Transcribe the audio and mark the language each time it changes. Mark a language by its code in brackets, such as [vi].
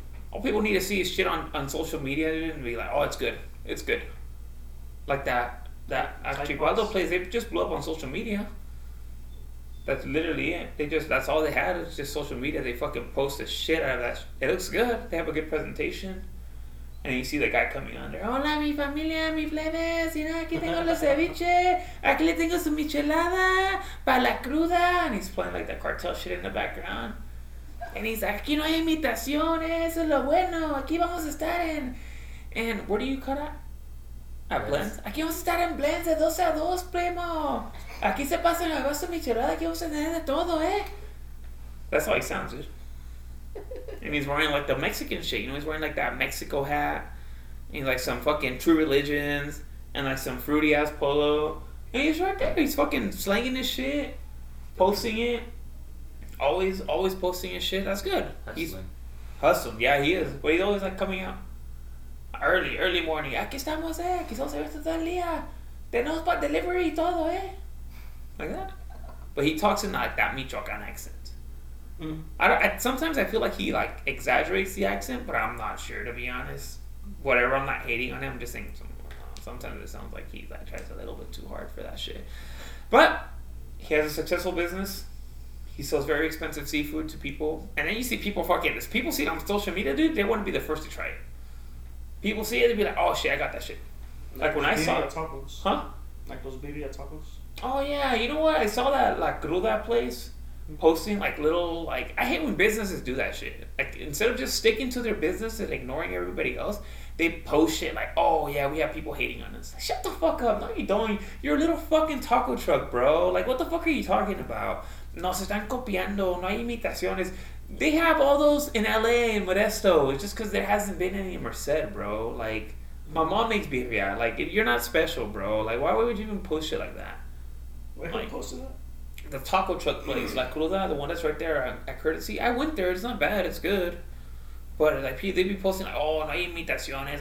[en] All people need to see is shit on social media and be like, oh, it's good. It's good. Like that. That actually, while those plays, they just blew up on social media. That's literally it. That's all they had. It's just social media. They fucking post the shit out of that. It looks good. They have a good presentation. And you see the guy coming under. [es] Hola, mi familia, mi plebes. [en] You know, [es] aquí tengo los ceviche. Aquí le tengo su michelada. Para la cruda. [en] And he's playing like the cartel shit in the background. And he's like, [es] aquí no hay imitaciones. Eso es lo bueno. Aquí vamos a estar en. [en] And where do you cut at? Blends. [es] Aquí vamos a estar en blends de 12 a 2, primo. Aquí se pasa el agosto michelada. Aquí vamos a tener de todo, eh. [en] That's how he sounds, dude. And he's wearing like the Mexican shit. You know, he's wearing like that Mexico hat. He's like some fucking True Religions. And like some fruity ass polo. And he's right there. He's fucking slanging his shit. Posting it. Always posting his shit. That's good. Hustling. He's hustling. Yeah, he is. But he's always like coming out. Early morning. [es] Aquí estamos, eh. Aquí estamos abiertos todo el día. Tenemos para delivery y todo, eh. [en] Like that. But he talks in like that Michoacan accent. Mm-hmm. Sometimes I feel like he like exaggerates the accent, but I'm not sure, to be honest. Whatever, I'm not hating on him. I'm just saying sometimes it sounds like he like tries a little bit too hard for that shit. But he has a successful business. He sells very expensive seafood to people. And then you see people fucking this. People see it on social media, dude. They want to be the first to try it. People see it and be like, oh shit, I got that shit. Like when I saw it. Tacos. Huh? Like those baby at tacos. Oh yeah, you know what? I saw that like Gruda place posting like little, like, I hate when businesses do that shit. Like instead of just sticking to their business and ignoring everybody else, they post shit like, oh yeah, we have people hating on us. Like, shut the fuck up. No, you don't. You're a little fucking taco truck, bro. Like, what the fuck are you talking about? [es] No se están copiando, no hay imitaciones. [en] They have all those in LA and Modesto. It's just because there hasn't been any Merced, bro. Like, my mom makes birria. Like, you're not special, bro. Like, why would you even post shit like that? Why would you post that? The taco truck place, La Cruda, the one that's right there at Courtesy. I went there. It's not bad. It's good. But, like, they'd be posting, like, [es] oh, no hay imitaciones.